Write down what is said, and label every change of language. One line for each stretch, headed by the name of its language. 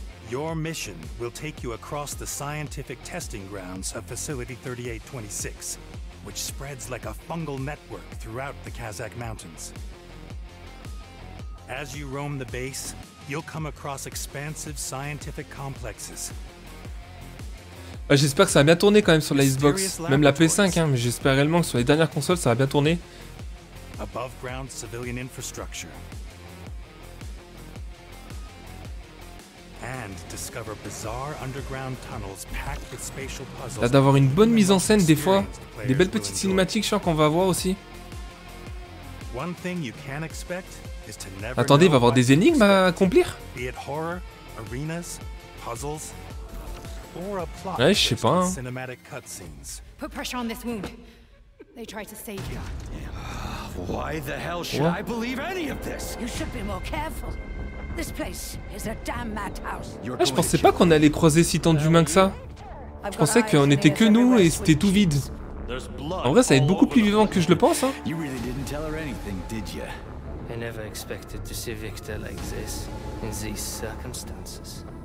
English: Your mission will take you across the scientific testing grounds of facility 3826, which spreads like a fungal network throughout the Kazakh mountains. As you roam the base, you'll come across expansive scientific complexes.
French: J'espère que ça va bien tourner quand même sur la Xbox, même la PS5, hein, mais j'espère réellement que sur les dernières consoles, ça va bien tourner.
English: Above ground civilian infrastructure. And discover bizarre underground tunnels packed with spatial puzzles.
French: Là, d'avoir une bonne mise en scène des fois, des belles petites cinématiques, je crois qu'on va voir aussi.
English: One thing you can expect.
French: Attendez, il va y avoir des énigmes à accomplir? Ouais, je sais pas. Hein.
English: Put pressure on this wound. They tried to save you. Why the hell should I believe any of this? You should be more careful. This place is a damn madhouse.
French: Je pensais pas qu'on allait croiser si tant d'humains que ça. Je pensais qu'on était que nous et c'était tout vide. En vrai, ça va être beaucoup plus vivant que je le pense, hein.
English: You really didn't tell her anything, did you? I never expected to see Victor like this, in these circumstances.